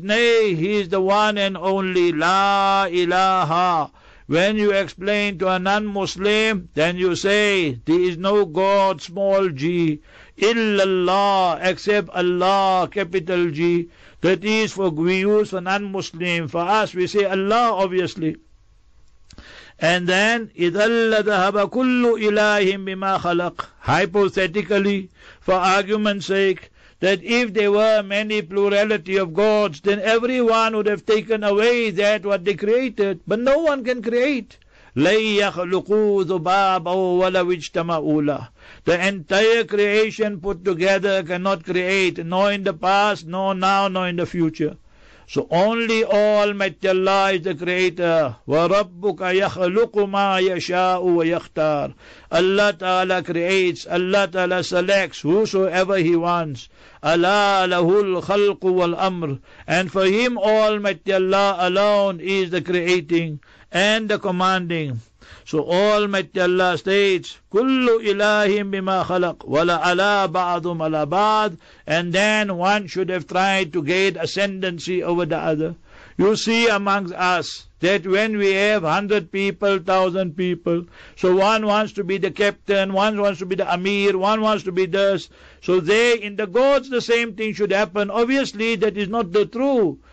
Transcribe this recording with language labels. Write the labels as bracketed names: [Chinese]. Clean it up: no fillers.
[English] Nay, he is the one and only. [Arabic] La ilaha. [English] When you explain to a non-Muslim, then you say, there is no God, small g, [Arabic] illallah, [English] except Allah, capital G. That is for we use for non-Muslim. For us, we say Allah, obviously. And then, [Arabic] إِذَا لَّذَهَبَ كُلُّ إِلَٰهِمْ بِمَا خَلَقْ. [English] Hypothetically, for argument's sake, that if there were many plurality of gods, then everyone would have taken away that what they created. But no one can create. [Arabic] لَيَّخْلُقُوا ذُبَابًا وَلَوْ اجْتَمَعُوا لَهُ. [English] The entire creation put together cannot create, nor in the past, nor now, nor in the future. So only Almighty Allah is the creator. [Arabic] وَرَبُّكَ يَخْلُقُ مَا يَشَاءُ وَيَخْتَارُ. [English] Allah Ta'ala creates, Allah Ta'ala selects whosoever He wants. [Arabic] أَلَّا لَهُ الْخَلْقُ وَالْأَمْرُ. [English] And for Him Almighty Allah alone is the creating and the commanding. So Almighty Allah states, [Arabic] كُلُّ إِلَٰهِمْ بِمَا خَلَقْ وَلَا عَلَىٰ بَعْضُمْ عَلَىٰ بَعْضٍ. [English] And then one should have tried to gain ascendancy over the other. You see amongst us that when we have 100 people, 1,000 people, so one wants to be the captain, one wants to be the amir, one wants to be this. So there in the gods the same thing should happen. Obviously that is not the true.